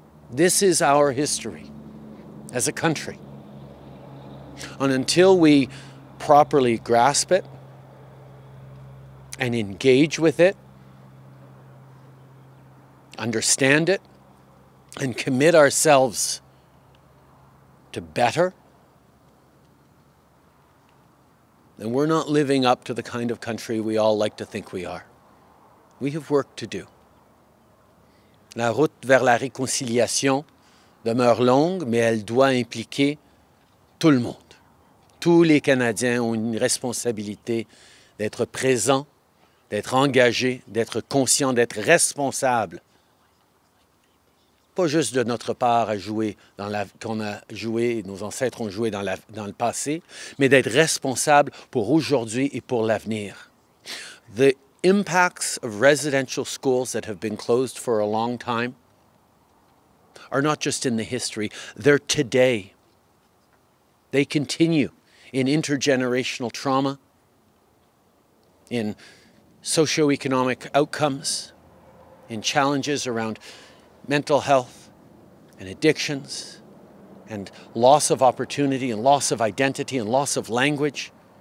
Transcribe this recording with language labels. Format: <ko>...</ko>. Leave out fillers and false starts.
<en>This is our history as a country. And until we properly grasp it and engage with it, understand it, and commit ourselves to better, then we're not living up to the kind of country we all like to think we are. We have work to do.</en> <fr>La route vers la réconciliation demeure longue, mais elle doit impliquer tout le monde. Tous les Canadiens ont une responsabilité d'être présents, d'être engagés, d'être conscients, d'être responsables. Pas juste de notre part à jouer dans la, qu'on a joué, nos ancêtres ont joué dans, la, dans le passé, mais d'être responsables pour aujourd'hui et pour l'avenir.</fr> <en>The impacts of residential schools that have been closed for a long time are not just in the history, they're today. They continue in intergenerational trauma, in socioeconomic outcomes, in challenges around mental health and addictions and loss of opportunity and loss of identity and loss of language,</en>